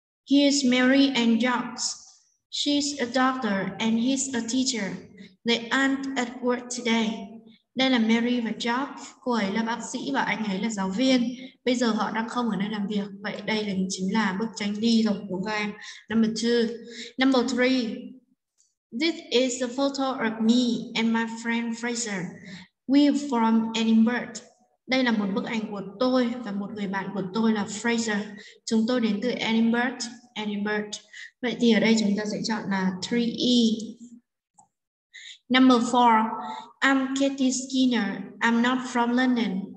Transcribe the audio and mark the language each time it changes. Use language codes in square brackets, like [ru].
[en] He is Mary and Jobs. She's a doctor and he's a teacher. They aren't at work today. [vi] Đây là Mary và Jobs. Cô ấy là bác sĩ và anh ấy là giáo viên. Bây giờ họ đang không ở nơi làm việc. Vậy đây là chính là bức tranh đi rồi của các em. [en] Number 3. This is a photo of me and my friend Fraser. We're from Edinburgh. [vi] Đây là một bức ảnh của tôi và một người bạn của tôi là Fraser. Chúng tôi đến từ Edinburgh. Vậy thì ở đây chúng ta sẽ chọn là 3E. [en] Number 4. I'm Katie Skinner. I'm not from London.